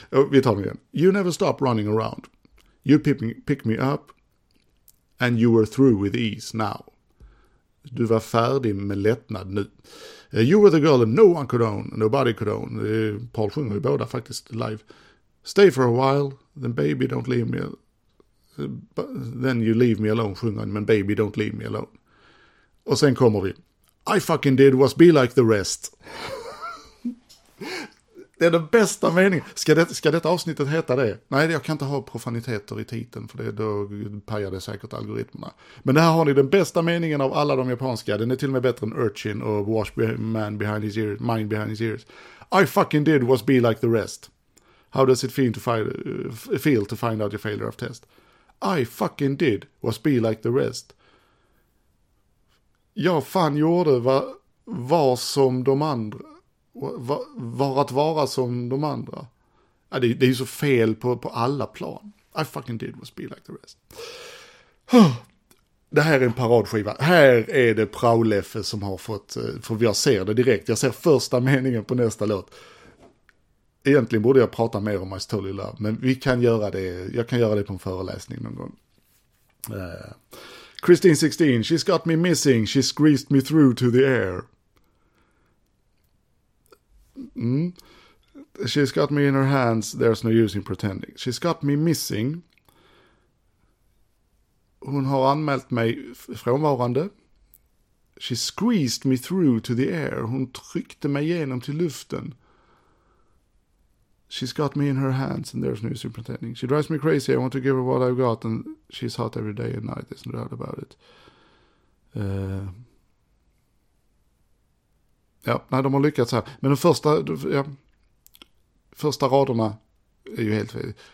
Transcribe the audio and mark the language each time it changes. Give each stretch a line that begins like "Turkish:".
Swedish: Vi tar igen.
English: You never stop running around, you pick me up and you were through with ease now.
Swedish: Du var färdig med lättnad nu.
English: You were the girl that no one could own, nobody could own.
Swedish: Paul sjunger ju båda faktiskt live.
English: Stay for a while, then baby don't leave me alone. Then you leave me alone, sjunger, men baby don't leave me alone.
Swedish: Och sen kommer vi.
English: I fucking did was be like the rest.
Swedish: Det är den bästa meningen. Ska detta avsnittet heta det? Nej, jag kan inte ha profaniteter i titeln, för då pajar det säkert algoritmerna. Men här har ni den bästa meningen av alla de japanska. Den är till och med bättre än Urchin och Wash Man Behind His Ears, Mind Behind His Ears.
English: I fucking did was be like the rest. How does it feel to find out your failure of test? I fucking did was be like the rest.
Swedish: Jag fan gjorde var som de andra. Var att vara som de andra. Ja, det är ju så fel på alla plan.
English: I fucking did was be like the rest.
Swedish: Det här är en paradskiva. Här är det Prauleffe som har fått, för jag ser det direkt. Jag ser första meningen på nästa låt. Egentligen borde jag prata mer om My Story Love, men vi kan göra det. Jag kan göra det på en föreläsning någon gång.
English: Christine 16, she's got me missing, she squeezed me through to the air. She's got me in her hands, there's no use in pretending. She's got me missing. Hon har anmält mig frånvarande. She squeezed me through to the air. Hon tryckte mig igenom till luften. She's got me in her hands and there's no use in pretending. She drives me crazy. I want to give her what I've got and she's hot every day and night. There's no doubt about it.
Swedish: Ja, nej, de har lyckats här. Men de första, ja, första raderna är ju helt fel.